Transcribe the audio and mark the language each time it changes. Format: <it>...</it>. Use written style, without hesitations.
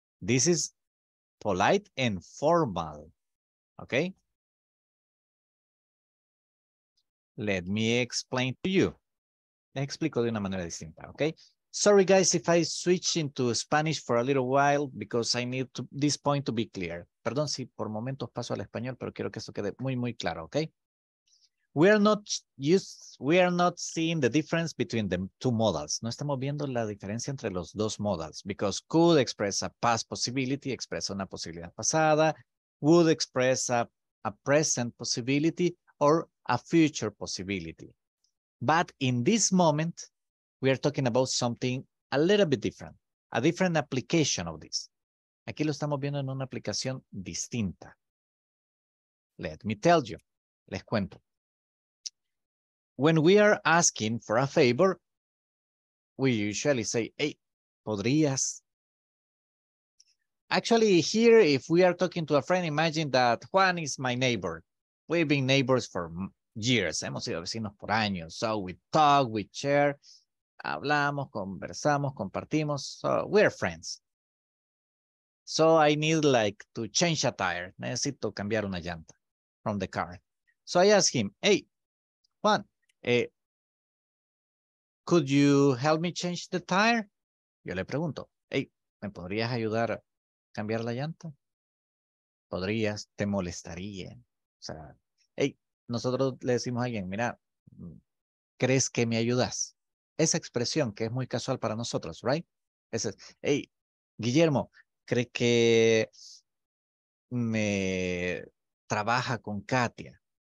<en>This is polite and formal. Okay? Let me explain to you.</en> <es>Le explico de una manera distinta,</es> <en>okay? Sorry, guys, if I switch into Spanish for a little while because I need to, this point to be clear.</en> <es>Perdón si por momentos paso al español, pero quiero que esto quede muy, muy claro, okay?</es> <en>We are not seeing the difference between the two models.</en> <es>No estamos viendo la diferencia entre los dos</es> <en>models because could express a past possibility,</en> <es>expresa una posibilidad pasada,</es> <en>would express a present possibility or a future possibility. But in this moment, we are talking about something a little bit different, a different application of this.</en> <es>Aquí lo estamos viendo en una aplicación distinta.</es> <en>Let me tell you,</en> <es>les cuento.</es> <en>When we are asking for a favor, we usually say, hey,</en> <es>¿podrías?</es> <en>Actually, here, if we are talking to a friend, imagine that Juan is my neighbor. We've been neighbors for years.</en> <es>Hemos sido vecinos por años.</es> <en>So we talk, we share.</en> <es>Hablamos, conversamos, compartimos.</es> <en>So we're friends. So I need like to change a tire.</en> <es>Necesito cambiar una llanta</es> <en>from the car. So I ask him, hey, Juan, could you help me change the tire?</en> <es>Yo le pregunto, hey, ¿me podrías ayudar a cambiar la llanta? ¿Podrías? ¿Te molestaría? O sea, hey, nosotros le decimos a alguien, mira, ¿crees que me ayudas? Esa expresión que es muy casual para nosotros, right? Es, hey, Guillermo, ¿crees que me trabaja con Katia?</es>